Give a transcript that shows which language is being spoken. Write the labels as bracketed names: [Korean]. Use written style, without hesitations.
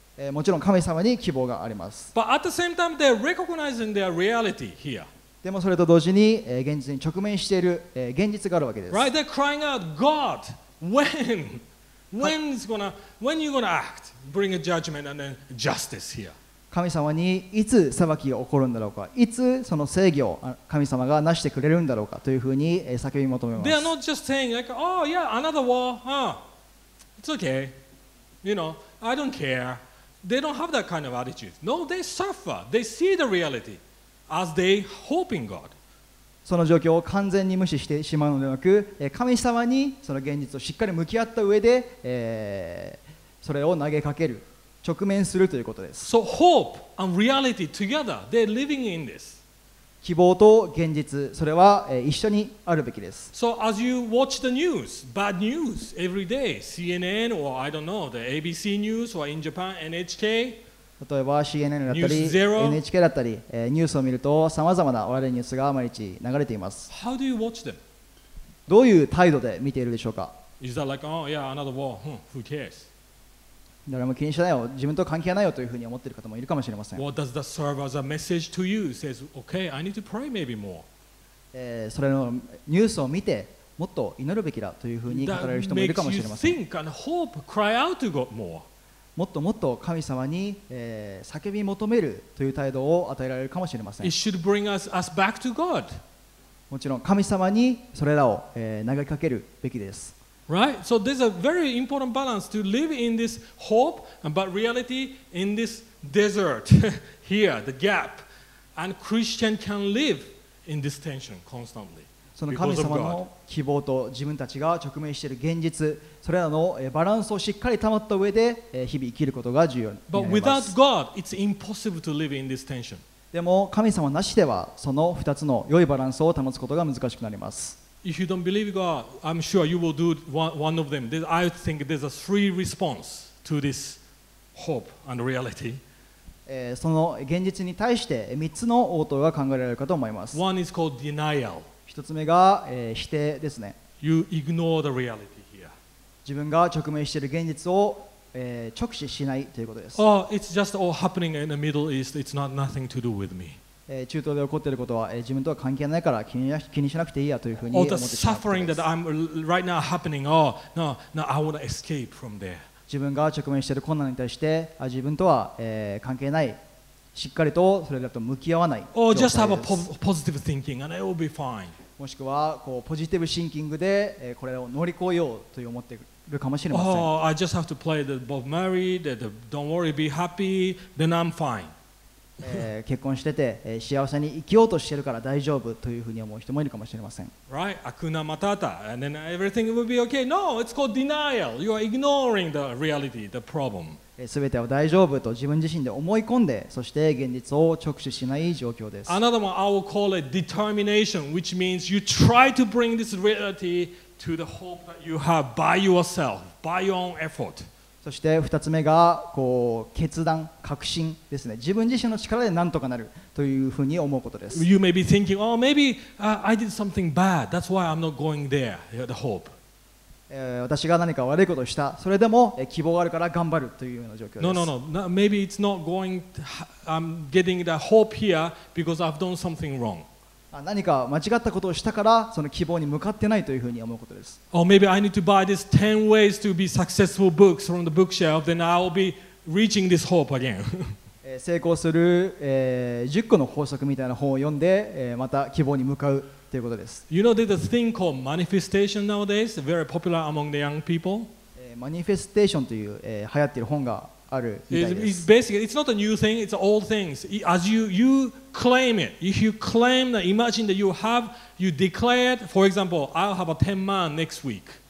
[Japanese] もちろん神様に希望があります。 [English] But at the same time, they're recognizing their reality here. [Japanese] でもそれと同時に、現実に直面している、現実があるわけです。 [English] Right? They're crying out, God, when? When are you going to act? Bring a judgment and then justice here. [Japanese] 神様にいつ裁きが起こるんだろうか、いつその正義を神様がなしてくれるんだろうかというふうに叫び求めます。 [English] They are not just saying like, oh yeah, another war, huh? It's okay. You know, I don't care. They don't have that kind of attitude. No, they suffer. They see the reality as they hope in God. [Japanese] その状況を完全に無視してしまうのではなく、神様にその現実をしっかり向き合った上で、それを投げかける。直面するということです。 [English] So hope and reality together, they're living in this. [Japanese] 希望と現実、それは一緒にあるべきです。 [English] So as you watch the news, bad news every day, CNN or I don't know, the ABC News or in Japan, NHK, [Japanese] 例えば CNN だったり、NHK だったり、ニュースを見ると様々な悪いニュースが毎日流れています。 [English] How do you watch them? [Japanese] どういう態度で見ているでしょうか? [English] Is that like, oh yeah, another war, who cares? [Japanese] 誰も気にしないよ、自分と関係ないよというふうに思っている方もいるかもしれません。 [English] What does that serve as a message to you? Says, okay, I need to pray maybe more. [Japanese] それのニュースを見て、もっと祈るべきだというふうに語られる人もいるかもしれません。 [English] That makes you think and hope, cry out to God more. [Japanese] もっともっと神様に、叫び求めるという態度を与えられるかもしれません。 [English] It should bring us back to God. [Japanese] もちろん神様にそれらを、投げかけるべきです。 [English] Right? So there's a very important balance to live in this hope, but reality in this desert here, the gap, and Christian can live in this tension constantly. [Japanese] その神様の希望と自分たちが直面している現実、それらのバランスをしっかり保った上で日々生きることが重要になります。 [English] But without God, it's impossible to live in this tension. [Japanese] でも神様なしではその2つの良いバランスを保つことが難しくなります。 [English] If you don't believe God, I'm sure you will do one of them. I think there's a three response to this hope and reality. [Japanese] その現実に対して3つの応答が考えられるかと思います。 [English] One is called denial. [Japanese] 一つ目が、否定ですね。 [English] You ignore the reality here. [Japanese] 自分が直面している現実を、直視しないということです。 [English] Oh, it's just all happening in the Middle East. It's not nothing to do with me. [Japanese] 中東で起こっていることは、自分とは関係ないから気にしなくていいやというふうに思ってしまうことです。 [English] All the suffering that I'm right now happening. Oh, no, no, I want to escape from there. [Japanese] 自分が直面している困難に対して、自分とは、関係ない。しっかりとそれだと向き合わない状態です。 [English] Or just have a positive thinking and it will be fine. [Japanese] もしくはこうポジティブシンキングでこれを乗り越えようと思っているかもしれません。 [English] Oh, I just have to play the Bob Murray, the don't worry, be happy, then I'm fine. [Japanese] 結婚してて幸せに生きようとしてるから大丈夫というふうに思う人もいるかもしれません。 [English] Right, Akuna Matata, and then everything will be okay. No, it's called denial. You are ignoring the reality, the problem. [Japanese] 全ては大丈夫と自分自身で思い込んで、そして現実を直視しない状況です。 [English] Another one I will call it determination, which means you try to bring this reality to the hope that you have by yourself, by your own effort. [Japanese] そして2つ目がこう決断、確信ですね。自分自身の力で何とかなるというふうに思うことです。 [English] You may be thinking, oh, maybe I did something bad. That's why I'm not going there. The hope. [Japanese] 私が何か悪いことをした、それでも希望があるから頑張るというような状況です。 [English] No, no, no. Maybe it's not going. I'm getting the hope here because I've done something wrong. [Japanese] 何か間違ったことをしたからその希望に向かってないというふうに思うことです。 [English] Or maybe I need to buy this 10 ways to be successful books from the bookshelf, then I'll be reaching this hope again. [Japanese] 成功する、10個の法則みたいな本を読んで、また希望に向かう。ということです。 [English] You know, there's a thing called manifestation nowadays, very popular among the young people. [Japanese] Manifestation という、流行っている本があるみたいです。 [English] It's basically, it's not a new thing, it's old things. As you claim it, if you claim that, imagine that you have, you declared, for example, I'll have a 10 man next week.